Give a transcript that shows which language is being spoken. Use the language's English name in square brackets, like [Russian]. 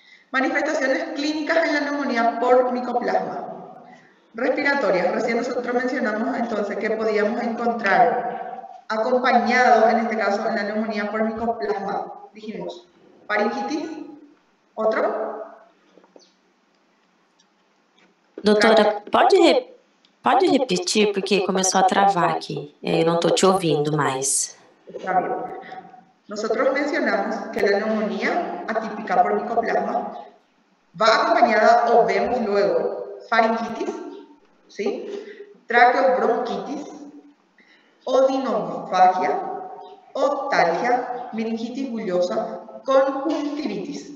[Spanish] Manifestaciones clínicas en la neumonía por micoplasma. Respiratorias, recién nosotros mencionamos entonces que podíamos encontrar acompañado en este caso en la neumonía por micoplasma, dijimos, faringitis, otro. [Portuguese] Doutora, pode repetir, porque começou a travar aqui. Eu não estou te ouvindo mais. [Spanish] Nosotros mencionamos que la neumonía atípica por micoplasma va acompañada, o vemos luego, faringitis, ¿sí? Traqueobronquitis, odinofagia, otalgia, meningitis bullosa, conjuntivitis.